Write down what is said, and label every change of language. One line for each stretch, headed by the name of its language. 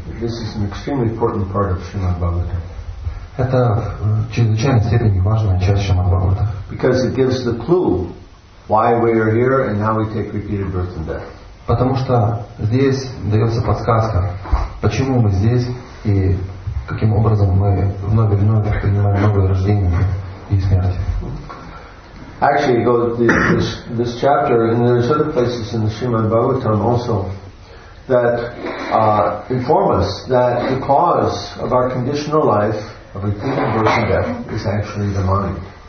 English: This is an extremely important part of Srimad Bhagavatam.
Russian: Это в чрезвычайной степени важная часть Шримад-Бхагаватам.
English: Because it gives the clue why we are here and how we take repeated birth and death.
Russian: Потому что здесь дается подсказка, почему мы здесь и каким образом мы вновь и вновь принимаем новое рождение и смерть.
English: Actually, it goes this chapter, and there's other places in the Shrimad-Bhagavatam also that inform us that the cause of our conditional life of repeated birth and death is actually the mind.